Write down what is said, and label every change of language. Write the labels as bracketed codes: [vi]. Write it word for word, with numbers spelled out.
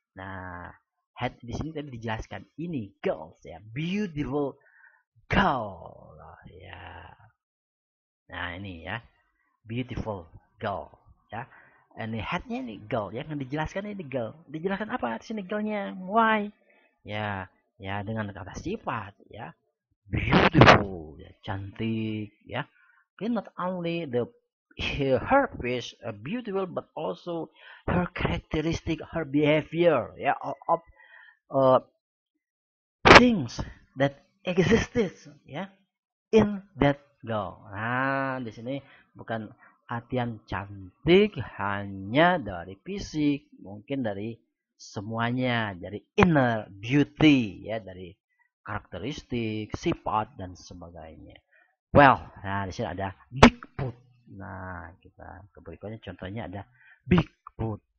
[id] Nah, head di sini tadi dijelaskan ini girls ya, beautiful girl ya. Nah, ini ya. [en] Beautiful girl ya. [id] Ini headnya ini girl ya, yang dijelaskan ini girl. Dijelaskan apa di sini girlnya? Why? Ya, ya dengan kata sifat ya. Beautiful ya, cantik ya. [en] Okay, not only the her face are beautiful, but also her characteristic, her behavior, yeah, all of uh, things that existed, yeah, in that girl. [id] Nah, di sini bukan artian cantik hanya dari fisik, mungkin dari semuanya, dari inner beauty, ya, dari karakteristik, sifat dan sebagainya. Well, nah di sini ada Bigfoot. Nah, kita ke berikutnya contohnya ada Bigfoot.